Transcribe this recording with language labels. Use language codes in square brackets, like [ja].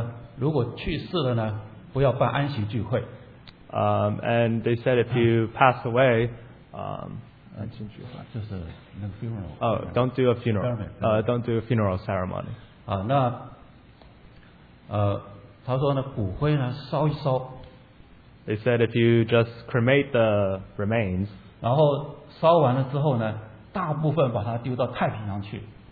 [zh] 他说呢，然后呢，如果去世了呢，不要办安息聚会。 [en] And they said if you pass away, [zh] 安息聚会就是那个 funeral. [en] Don't do a funeral. Don't do a funeral ceremony. [zh] 那他说呢，骨灰呢烧一烧。 [en] They said if you just cremate the remains. [zh] 然后烧完了之后呢。大部分把它丢到太平洋去,